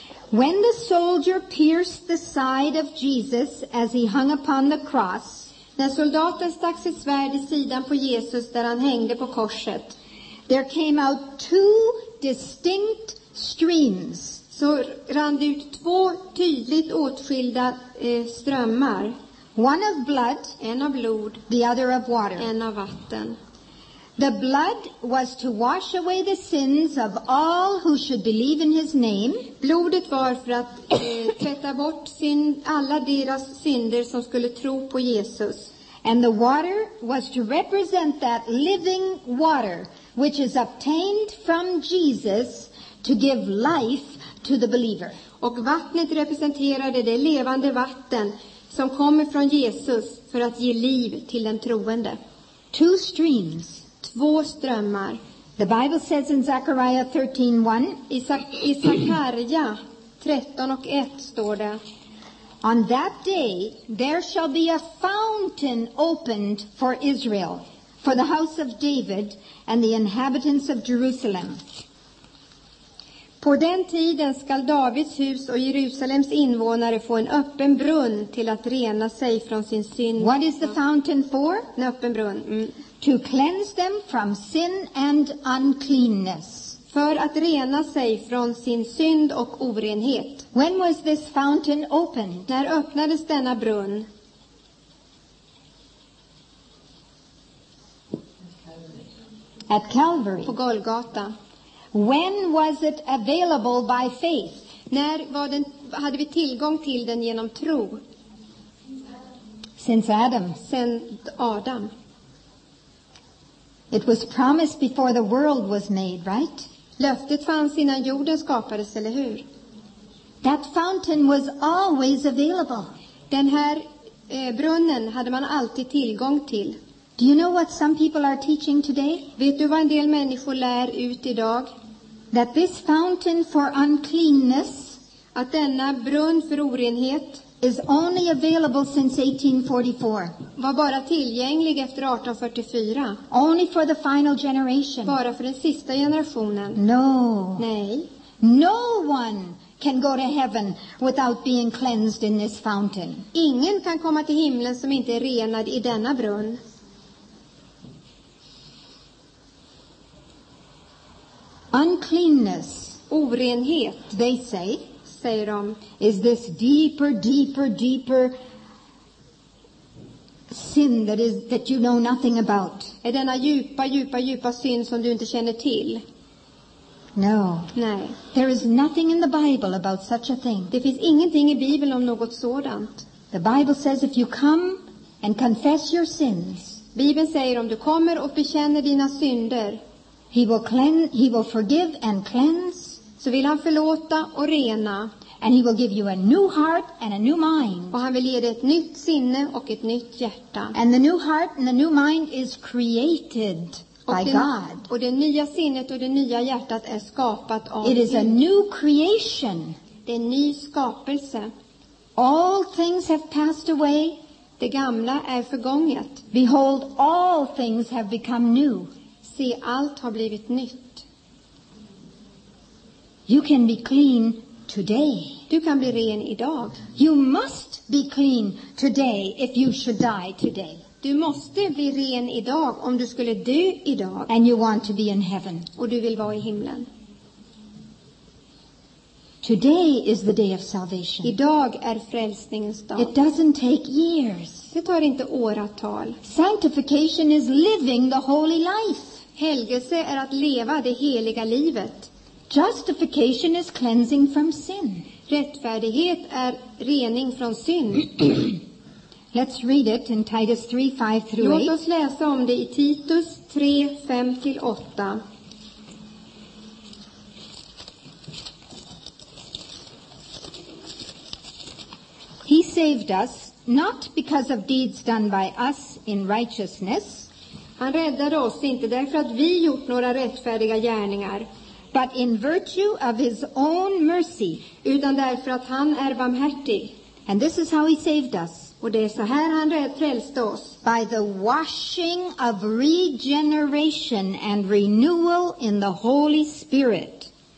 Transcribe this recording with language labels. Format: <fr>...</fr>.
<en>When the soldier pierced the side of Jesus as he hung upon the cross.</en> <sv>När soldaten stack sitt svärd i sidan på Jesus där han hängde på korset.</sv> <en>There came out two distinct streams.</en> <sv>Så rann det ut två tydligt åtskilda strömmar.</sv> <en>One of blood,</en> <sv>en av blod,</sv> <en>the other of water,</en> <sv>en av vatten.</sv> <en>The blood was to wash away the sins of all who should believe in his name.</en> <sv>Blodet var för att tvätta bort alla deras synder som skulle tro på Jesus.</sv> <en>And the water was to represent that living water which is obtained from Jesus to give life to the believer.</en> <sv>Och vattnet representerade det levande vatten som kommer från Jesus för att ge liv till den troende.</sv> <en>Two streams.</en> <sv>Två strömmar.</sv> <en>The Bible says in Zechariah 13:1.</en> <sv>I Zakaria 13:1 står det.</sv> <en>On that day there shall be a fountain opened for Israel, for the house of David and the inhabitants of Jerusalem.</en> <sv>På den tiden skall Davids hus och Jerusalems invånare få en öppen brunn till att rena sig från sin synd.</sv> <en>What is the fountain for?</en> <sv>En öppen brunn. Mm.</sv> <en>To cleanse them from sin and uncleanness.</en> <sv>För att rena sig från sin synd och orenhet.</sv> <en>When was this fountain opened?</en> <sv>När öppnades denna brunn?</sv> <en>At Calvary.</en> <sv>På Golgata.</sv> <en>When was it available by faith?</en> <sv>När var den, hade vi tillgång till den genom tro?</sv> <en>Since Adam.</en> <sv>Sen Adam.</sv> <en>It was promised before the world was made, right?</en> <sv>Löftet fanns innan jorden skapades, eller hur?</sv> <en>That fountain was always available.</en> <sv>Den här brunnen hade man alltid tillgång till.</sv> <en>Do you know what some people are teaching today?</en> <sv>Vet du vad en del människor lär ut idag?</sv> <en>That this fountain for uncleanness,</en> <sv>att denna brunn för orenhet,</sv> <en>is only available since 1844.</en> <sv>Var bara tillgänglig efter 1844.</sv> <en>Only for the final generation.</en> <sv>Bara för den sista generationen.</sv> <en>No.</en> <sv>Nej.</sv> <en>No one can go to heaven without being cleansed in this fountain.</en> <sv>Ingen kan komma till himlen som inte är renad i denna brunn.</sv> <en>Uncleanness,</en> <sv>orenhet,</sv> <en>they say,</en> <sv>säger de,</sv> <en>is this deeper, deeper, deeper sin that is that you know nothing about.</en> <sv>Är denna djupa, djupa, djupa synd som du inte känner till?</sv> <en>No.</en> <sv>Nej.</sv> <en>There is nothing in the Bible about such a thing.</en> <sv>Det finns ingenting i Bibeln om något sådant.</sv> <en>The Bible says if you come and confess your sins.</en> <sv>Bibeln säger om du kommer och bekänner dina synder.</sv> <en>He will forgive and cleanse.</en> <sv>Så vill han förlåta och rena.</sv> <en>And he will give you a new heart and a new mind.</en> <sv>Och han vill ge dig ett nytt sinne och ett nytt hjärta.</sv> <en>And the new heart and the new mind is created by God.</en> <sv>Och det nya sinnet och det nya hjärtat är skapat av</sv> <en>Gud. It is a new creation.</en> <sv>Det är en ny skapelse.</sv> <en>All things have passed away.</en> <sv>Det gamla är förgånget.</sv> <en>Behold, all things have become new.</en> <sv>Se, allt har blivit nytt.</sv> <en>You can be clean today.</en> <sv>Du kan bli ren idag.</sv> <en>You must be clean today if you should die today.</en> <sv>Du måste bli ren idag om du skulle dö idag.</sv> <en>And you want to be in heaven.</en> <sv>Och du vill vara i himlen.</sv> <en>Today is the day of salvation.</en> <sv>Idag är frälsningens dag.</sv> <en>It doesn't take years.</en> <sv>Det tar inte åratal.</sv> <en>Sanctification is living the holy life.</en> <sv>Helgelse är att leva det heliga livet.</sv> <en>Justification is cleansing from sin.</en> <sv>Rättfärdighet är rening från synd.</sv> <en>Let's read it in Titus 3:5-8.</en> <sv>Låt oss läsa om det i Titus 3:5-8.</sv> <en>He saved us not because of deeds done by us in righteousness.</en> <sv>Han räddade oss inte därför att vi gjort några rättfärdiga gärningar.</sv> <en>But in virtue of his own mercy.</en> <sv>Utan därför att han är barmhärtig.</sv> <en>And this is how he saved us.</en> <sv>Och det är så här han frälste oss.</sv> <en>By the washing of regeneration and renewal in the Holy Spirit.</en>